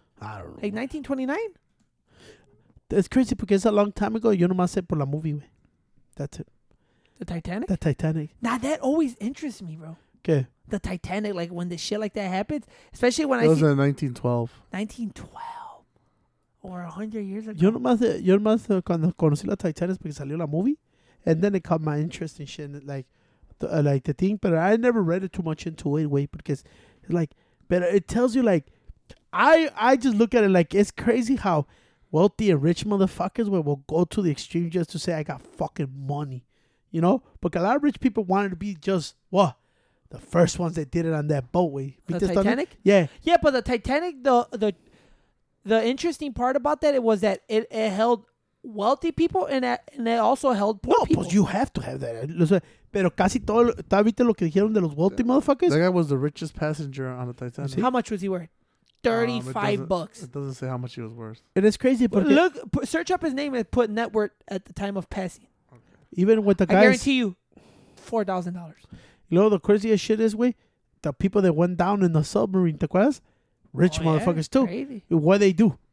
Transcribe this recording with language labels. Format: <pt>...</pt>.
<en>I don't know. Like 1929? That's crazy because a long time ago,</en> <es>yo nomás sé por la movie, güey.</es> <en>That's it. The Titanic? The Titanic. Now, that always interests me, bro. Okay. The Titanic, like when the shit like that happens, especially when it I was see in 1912. 1912. Or 100 years ago.</en> <es>Yo nomás cuando conocí la Titanic porque salió la movie.</es> <en>And then it caught my interest in shit, like the thing. But I never read it too much into it, wait, because, like, but it tells you, like, I just look at it like it's crazy how wealthy and rich motherfuckers will go to the extreme just to say I got fucking money, you know? But a lot of rich people wanted to be just what the first ones that did it on that boat, way. The Titanic? Yeah. Yeah, but the Titanic, the interesting part about that it was that it held wealthy people and they also held poor people. No,</en> <es>pues</es> <en>you have to have that.</en> <es>Pero casi todo, ¿tá viste lo que dijeron de los</es> <en>wealthy motherfuckers? That guy was the richest passenger on the Titanic. How much was he worth? 35 bucks. It doesn't say how much he was worth. And it's crazy. But look, search up his name and put net worth at the time of passing. Okay. Even with the guys. I guarantee you $4,000. You know, the craziest shit is, güey, the people that went down in the submarine,</en> <es>¿te acuerdas?</es> <en>Rich motherfuckers, too. Crazy. What they do?</en>